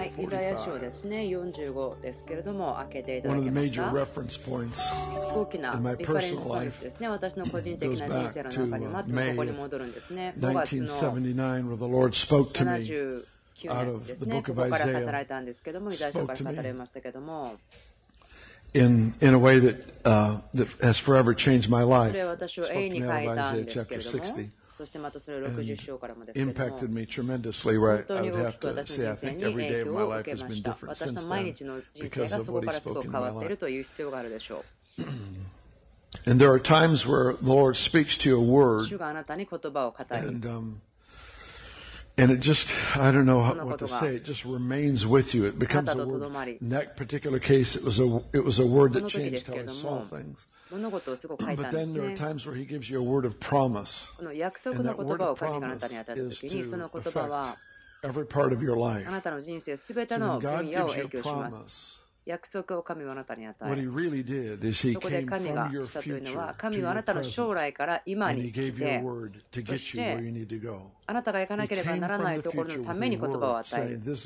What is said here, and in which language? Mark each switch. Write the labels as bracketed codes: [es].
[ja] はい、イザヤ書ですね、45ですけれども、開けていただけますか。 [en] One of the major points [ja] 大きなリファレンスポイントですね、私の個人的な人生の中にまたここに戻るんですね。 5月の79 年ですね、ここから語られたんですけども、イザヤ書から語られましたけども、 [en] In a way that, that has forever changed my life. [ja] それは私を永遠に変えたんですけれども、そしてまたそれを 60章からもですけれども、本当に大きく私の人生に影響を受けました。私の毎日の人生がそこからすごく変わっているという必要があるでしょう。 [en] And there are times where the Lord speaks to you a word. [ja] 主があなたに言葉を語り。 [en] And it just, I don't know what to say, it just remains with you. It becomes a word. In that particular case, it was a word that changed how I saw things. But then there are times where he gives you a word of promise. And that word of promise is to affect every part of your life. So God gives you a promise. [ja] 約束を神はあなたに与え、そこで神がしたというのは、神はあなたの将来から今に来て、そしてあなたが行かなければならないところのために言葉を与える。